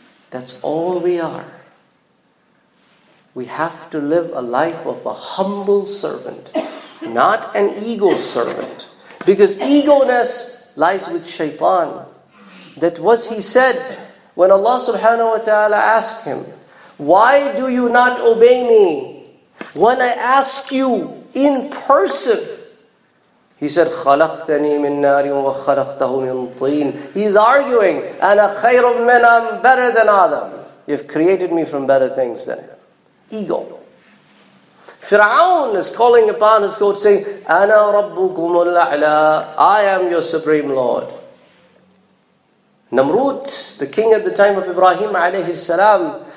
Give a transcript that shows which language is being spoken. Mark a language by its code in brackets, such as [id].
[en] That's all we are. We have to live a life of a humble servant, not an ego servant. Because egoness lies with shaitan. That was he said when Allah subhanahu wa ta'ala asked him, "Why do you not obey me when I ask you in person?" He said, [ar] "خَلَقْتَنِي مِن نَارٍ وَخَلَقْتَهُ مِن طِينٍ." [en] He's arguing, [ar] "أَنَا خَيْرٌ مِّنْ أَمْ [en] better than Adam. You've created me from better things than him." Ego. Fir'aun is calling upon his God, saying, [ar] "أَنَا رَبُّكُمُ الْأَعْلَىٰ. [en] I am your supreme Lord." Namrud, the king at the time of Ibrahim alayhi salam.